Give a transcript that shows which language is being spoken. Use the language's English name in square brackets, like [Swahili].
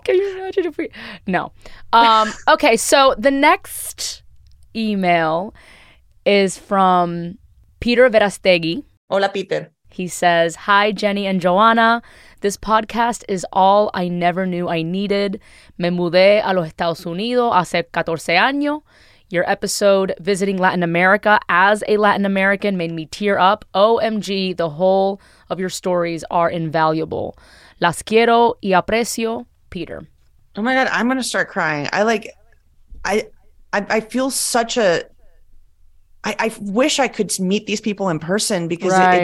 [English] Can you imagine if we... No. Okay, so the next email is from Peter Verastegui. [Spanish] Hola, Peter. [English] He says, hi, Jenny and Joanna. This podcast is all I never knew I needed. [Spanish] Me mudé a los Estados Unidos hace 14 años. [English] Your episode, Visiting Latin America as a Latin American, made me tear up. OMG, the whole of your stories are invaluable. [Spanish] Las quiero y aprecio, Peter. [English] Oh my God, I'm going to start crying. I feel such a I wish I could meet these people in person, because right.